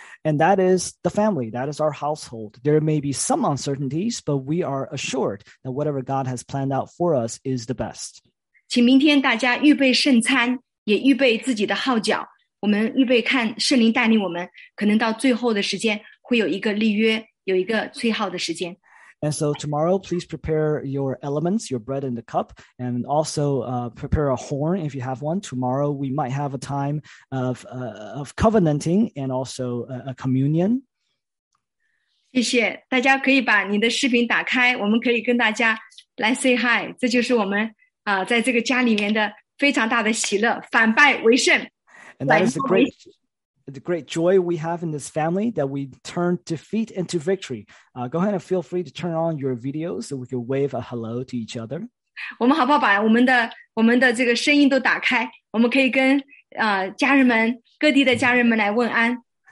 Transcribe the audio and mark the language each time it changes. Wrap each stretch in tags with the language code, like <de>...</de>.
<en>And that is the family, that is our household. There may be some uncertainties, but we are assured that whatever God has planned out for us is the best.</en> <zh>请明天大家预备圣餐，也预备自己的号角，我们预备看圣灵带领我们，可能到最后的时间会有一个立约，有一个吹号的时间。</zh> <en>And so tomorrow, please prepare your elements, your bread and the cup, and also prepare a horn if you have one. Tomorrow, we might have a time of covenanting and also a communion.</en> <zh>谢谢，大家可以把你的视频打开，我们可以跟大家来</zh> <en>say hi.</en> <zh>这就是我们在这个家里面的非常大的喜乐，反败为胜。</zh> <en>And that is the great joy we have in this family that we turn defeat into victory. Go ahead and feel free to turn on your video so we can wave a hello to each other.</en> <zh>我们好不好把我们的这个声音都打开，我们可以跟家人们，各地的家人们来问安。</zh>